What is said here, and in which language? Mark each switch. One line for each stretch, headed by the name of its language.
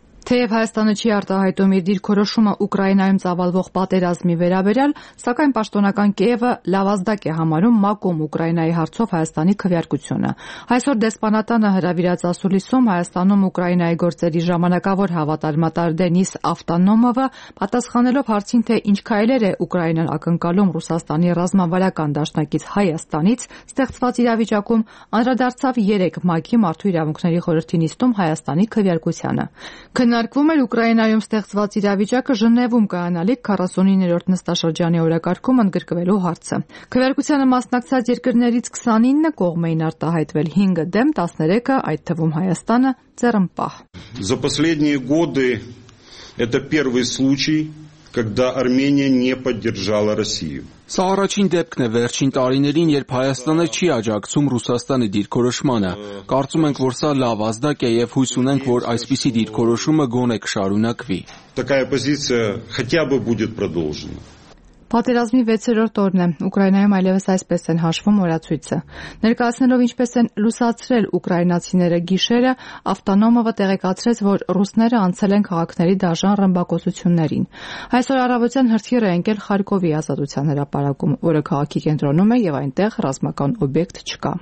Armenian: Թեև Հայաստանը չի արտահայտում իր դիրքորոշումը Ուկրաինայում ծավալվող պատերազմի վերաբերյալ, սակայն պաշտոնական Կիևը լավազդակ է համարում մակում Ուկրաինայի հարցով Հայաստանի քվեարկությունը։ Այսօր դեսպանատանը հրավիրած ասուլիսում Հայաստանում Ուկրաինայի գործերի ժամանակավոր հավատարմատար Դենիս Ավտոնոմովը, պատասխանելով հարցին, թե ինչ քայլեր է Ուկրաինան ակնկալում Ռուսաստանի ռազմավարական դաշնակից Հայաստանից, ստեղծված իրավիճակում անդրադարձավ 3 մակի մարդու իրավունքների խորհրդի նիստում Հայաստանի քվեարկությանը։ Քննարկվում էր Ուկրաինայում ստեղծված իրավիճակը Ժնևում կայանալի 49-րդ նստաշրջանի օրակարգում ընդգրկվելու հարցը։ Քվեարկությանը մասնակցած երկրներից 29-ը կողմ էին արտահայտվել, 5-ը դեմ, 13-ը, այդ թվում Հայաստանը, ծեռնպահ։
Russian: За последние годы это первый случай, когда Армения не поддержала Россию.
Armenian: Սա առաջին դեպքն է վերջին տարիներին, երբ Հայաստանը չի աջակցում Ռուսաստանի դիրքորոշմանը։ Կարծում ենք, որ սա լավ ազդակ է եւ հույս ունենք, որ այսպիսի դիրքորոշումը գոնե կշարունակվի։
Russian: Такая позиция хотя бы будет продолжена.
Armenian: Պատերազմի 6-րդ օրն է։ Ուկրաինայում այլևս այսպես են հաշվում օրացույցը։ Ներկայացնելով ինչպես են լուսացրել ուկրաինացիները գիշերը, Ավտոնոմովը տեղեկացրեց, որ ռուսները անցել են քաղաքների դաժան ռմբակոծություններին։ Այսօր առավոտյան հրթիռ է ընկել Խարկովի ազատության հրապարակում, որը քաղաքի կենտրոնում է եւ այնտեղ ռազմական օբյեկտ չկա։